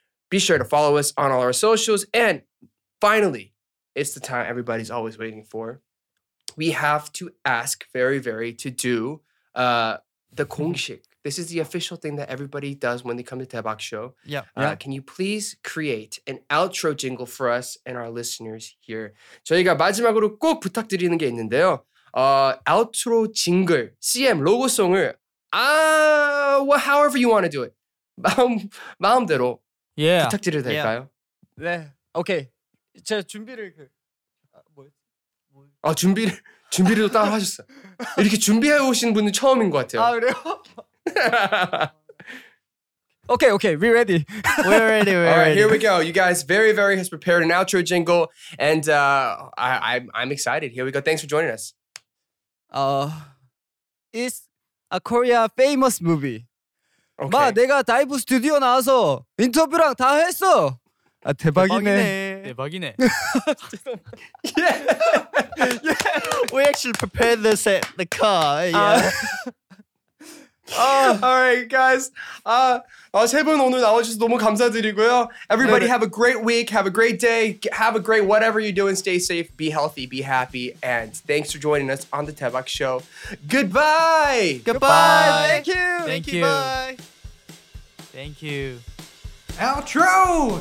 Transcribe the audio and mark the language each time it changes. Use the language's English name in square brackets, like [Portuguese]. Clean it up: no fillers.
[English] Be sure to follow us on all our socials. And finally, it's the time everybody's always waiting for. We have to ask Very Very to do the 공식. This is the official thing that everybody does when they come to 대박 show. Yeah. Can you please create an outro jingle for us and our listeners here? [Korean] 저희가 마지막으로 꼭 부탁드리는 게 있는데요. [English] Outro jingle, CM, 로고송을 well, however you want to do it. [Korean] 마음대로 [English] yeah. [Korean] 부탁드려도 될까요? Yeah. 네. 오케이. Okay. 제가 준비를... 아 준비를 따로 하셨어. 이렇게 준비해 오신 분은 처음인 것 같아요. 아 그래요? [English] 오케이 오케이, we ready. We're ready. We're All right, ready. Here we go. You guys, Very Very has prepared an outro jingle, and I'm excited. Here we go. Thanks for joining us. It's a Korea famous movie. [Korean] Okay. 마, 내가 다이브 스튜디오 나와서 인터뷰랑 다 했어. 아 대박이네. 대박이네. [English] Yeah. Yeah. We actually prepared this at the car. Yeah. All right, guys. [Korean] 세 분 오늘 나와주셔서 너무 감사드리고요. [English] Everybody have a great week. Have a great day. Have a great whatever you're doing. Stay safe. Be healthy. Be happy. And thanks for joining us on the 대박 show. Goodbye. Goodbye. Goodbye. Thank you. Thank you. Bye. Thank you. Outro!